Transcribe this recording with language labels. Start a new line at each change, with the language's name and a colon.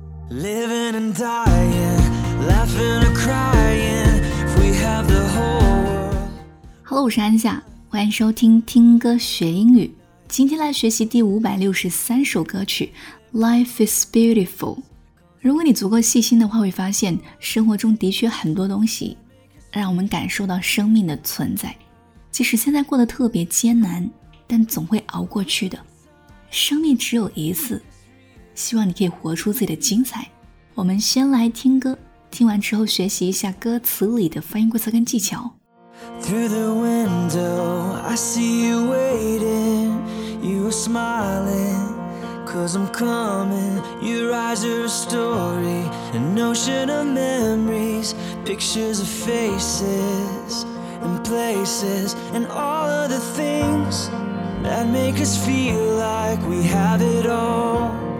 English: Living and dying, laughing and crying, if we have the whole world.
Chinese: Hello, 我是安夏，欢迎收听听歌学英语。今天来学习第563首歌曲 Life is Beautiful。如果你足够细心的话，会发现生活中的确很多东西让我们感受到生命的存在，即使现在过得特别艰难，但总会熬过去的。生命只有一次，希望你可以活出自己的精彩。我们先来听歌，听完之后学习一下歌词里的发音规则跟技巧。
English: Through the window I see you waiting, you are smiling'cause I'm coming, your eyes are a story, an ocean of memories, pictures of faces and places, and all of the things that make us feel like we have it all.